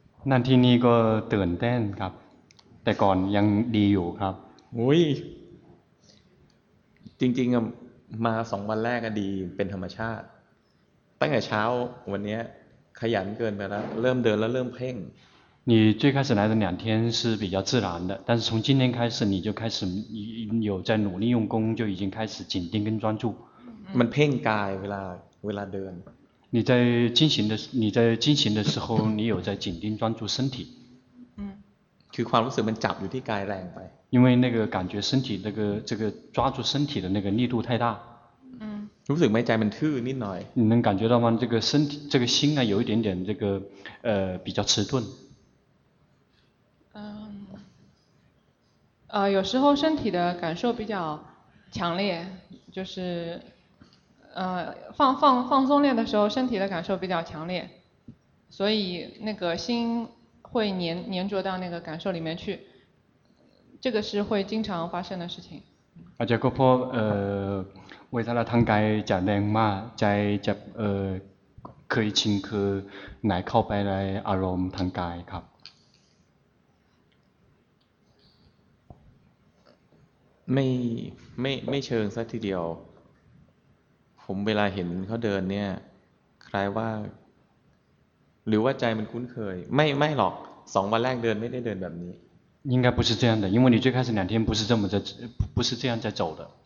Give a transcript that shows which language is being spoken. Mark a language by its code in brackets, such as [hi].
[th] นั่นที่นี่ก็ตื่นเต้นครับแต่ก่อนยังดีอยู่ครับ อุ้ยจริงๆมา2วันแรกก็ดีเป็นธรรมชาติตั้งแต่เช้าวันนี้ขยันเกินไปแล้วเริ่มเดินแล้วเริ่มเพ่ง [zh] 你最开始来的两天是比较自然的但是从今天开始你就开始有在努力用功就已经开始紧盯跟专注 [th] มันเพ่งกายเวลาเดิน [zh] 你在进行的时候你有在紧盯专注身体 [th] คือความรู้สึกมันจับอยู่ที่กายแรงไป [zh] 因为那个感觉身体那个这个抓住身体的那个力度太大 [th] รู้สึกไหมใจมันทื่อนิดหน่อย [zh] 你能感觉到吗这个身体这个心啊有一点点这个比较迟钝有时候身体的感受比较强烈就是放松练的时候身体的感受比较强烈所以那个心会粘着到那个感受里面去这个是会经常发生的事情 [th] อาจารย์ก็พบเวลาเราทางกายจะแรงมากใจจะเคยชินคือไหนเข้าไปในอารมณ์ทางกายครับ ไม่เชิงสักทีเดียวผมเวลาเห็นเขาเดินเนี่ยคล้ายว่าหรือว่าใจมันคุ้นเคยไม่หรอก2วันแรกเดินไม่ได้เดินแบบนี้ [zh] 应该不是这样的因为你最开始两天不是这么在不是这样在走的